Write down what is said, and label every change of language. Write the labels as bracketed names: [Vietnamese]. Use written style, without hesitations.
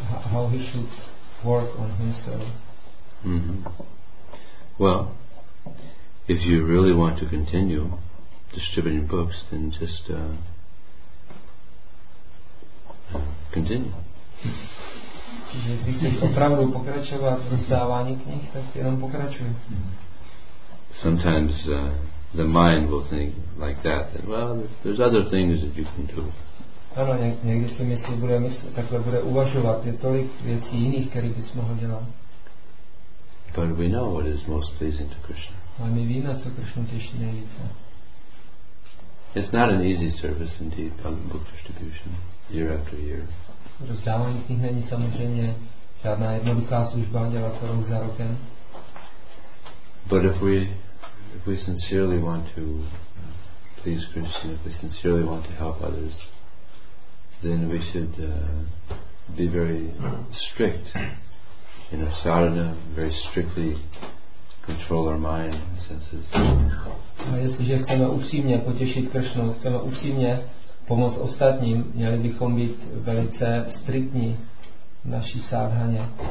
[English] How he should work on himself. Mm-hmm. Well, if you really want to continue distributing books, then just continue. [Czech] Když chceš opravdu pokračovat v rozdávání knih, tak jenom pokračuj. [English] Sometimes the mind will think like that, that well, there's other things that you can do. [Czech] Ano, někdy si myslí, bude myslet, takhle bude uvažovat. Je tolik věcí jiných, které bys mohl dělat. [English] But we know what is most pleasing to Krishna. [Czech] Ale my víme, co Krishna těší nejvíce. [English] It's not an easy service indeed, public book distribution, year after year. [Czech] Rozdávání knih není samozřejmě žádná jednoduchá služba, dělat to rok za rokem. [English] But if we sincerely want to please Krishna, if we sincerely want to help others, then we should be very strict in our sadhana, very strictly control our mind and senses. [Czech] A jestliže chceme upřímně potěšit Krishnu, chceme upřímně pomoct ostatním, měli bychom být velice striktní v naší sadhaně.